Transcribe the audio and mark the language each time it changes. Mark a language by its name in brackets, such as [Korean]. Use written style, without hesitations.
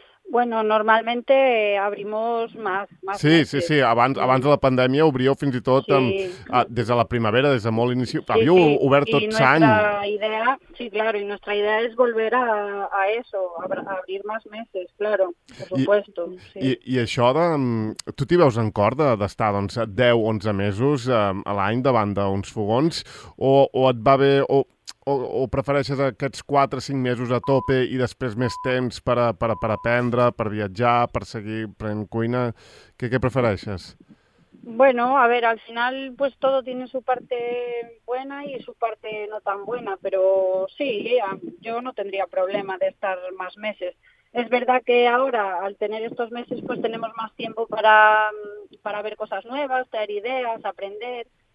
[Spanish] Bueno, normalmente abrimos más. Sí, sí, sí. [Catalan] Abans de la pandèmia obríeu fins i tot des de la primavera, des de molt inici. Havíeu obert tot l'any. [Spanish] Y nuestra idea es volver a eso, a abrir más meses, claro, por supuesto. [Catalan] I això de... Tu t'hi veus en cor d'estar, doncs, 10, 11 mesos a l'any davant d'uns fogons? O et va bé... O prefereixes aquests 4-5 mesos a tope i després més temps per aprendre, per viatjar, per seguir prenent cuina? Què prefereixes? [Spanish] Bueno, a ver, al final pues todo tiene su parte buena y su parte no tan buena, pero sí, yo no tendría problema de estar más meses. Es verdad que ahora, al tener estos meses, pues tenemos más tiempo para ver cosas nuevas, tener ideas, aprender...